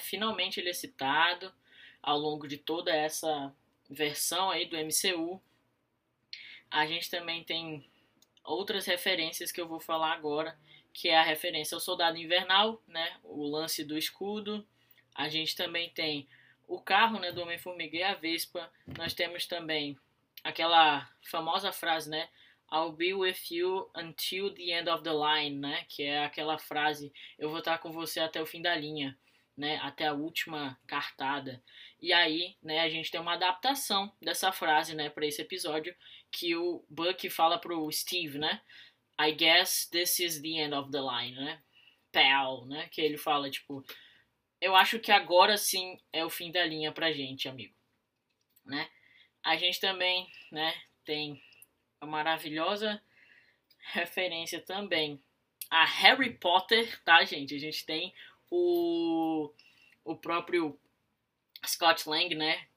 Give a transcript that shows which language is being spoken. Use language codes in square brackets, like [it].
[pt] Finalmente ele é citado ao longo de toda essa versão aí do MCU. A gente também tem outras referências que eu vou falar agora, que é a referência ao Soldado Invernal, né? O lance do escudo. A gente também tem o carro, né, do Homem-Formiga e a Vespa. Nós temos também aquela famosa frase, né? [en] I'll be with you until the end of the line, né? [pt] Que é aquela frase, eu vou estar com você até o fim da linha, né? Até a última cartada. E aí, né, a gente tem uma adaptação dessa frase, né, para esse episódio, que o Bucky fala pro Steve, né? [en] I guess this is the end of the line, né? [pt] Pal, né? Que ele fala, tipo, eu acho que agora sim é o fim da linha pra gente, amigo. Né? A gente também, né, tem a maravilhosa referência também a Harry Potter, tá, gente? A gente tem o próprio Scott Lang, né?